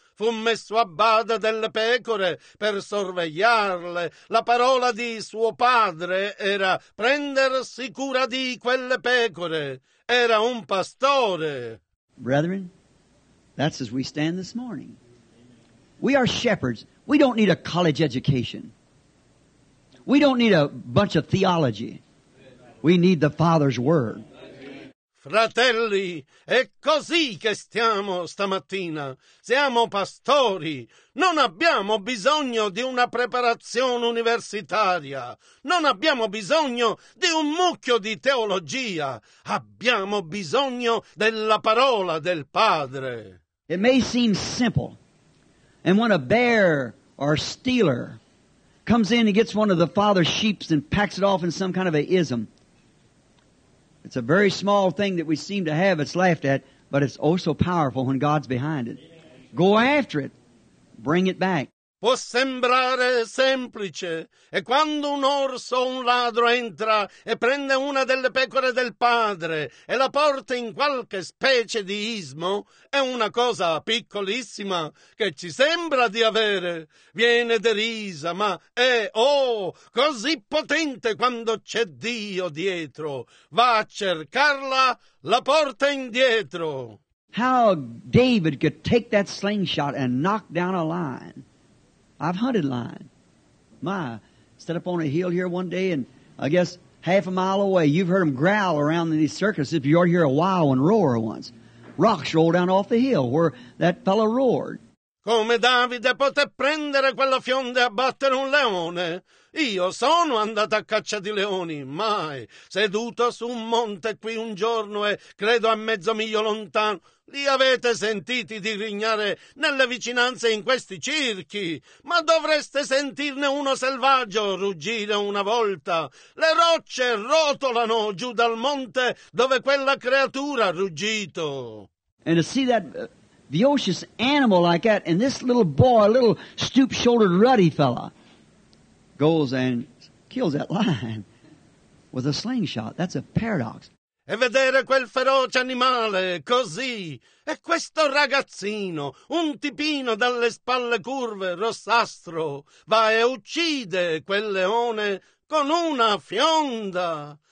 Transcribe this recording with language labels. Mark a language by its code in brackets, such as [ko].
[it] Fu messo a bada delle pecore per sorvegliarle. La parola di suo padre era prendersi cura di quelle pecore. Era un pastore. [en] Brethren, that's as we stand this morning. We are shepherds. We don't need a college education. We don't need a bunch of theology. We need the Father's Word. [it] Fratelli, è così che stiamo stamattina. Siamo pastori. Non abbiamo bisogno di una preparazione universitaria. Non abbiamo bisogno di un mucchio di teologia. Abbiamo bisogno della parola del Padre. [en] It may seem simple. And when a bear or a stealer comes in and gets one of the father's sheep and packs it off in some kind of a ism, it's a very small thing that we seem to have. It's laughed at, but it's oh so powerful when God's behind it. Go after it. Bring it back. [it] Può sembrare semplice, e quando un orso o un ladro entra e prende una delle pecore del padre e la porta in qualche specie di ismo, è una cosa piccolissima che ci sembra di avere. Viene derisa, ma è, oh, così potente quando c'è Dio dietro. Va a cercarla, la porta indietro. [en] How David could take that slingshot and knock down a lion. I've hunted lion. My, set up on a hill here one day, and I guess half a mile away, you've heard them growl around in these circuses. You ought to hear a wow and roar once. Rocks roll down off the hill where that fellow roared. [it] Come Davide poté prendere quella fionda e abbattere un leone? Io sono andato a caccia di leoni, mai. Seduto su un monte qui un giorno e credo a mezzo miglio lontano, li avete sentiti di grignare nelle vicinanze in questi circhi, ma dovreste sentirne uno selvaggio ruggire una volta. Le rocce rotolano giù dal monte dove quella creatura ha ruggito. [en] And to see that ferocious animal like that, and this little boy, a little stoop-shouldered ruddy fella, goes and kills that lion with a slingshot. That's a paradox. [it] E vedere quel feroce animale così, e questo ragazzino, un tipino dalle spalle curve, rossastro, va e uccide quel leone con una fionda.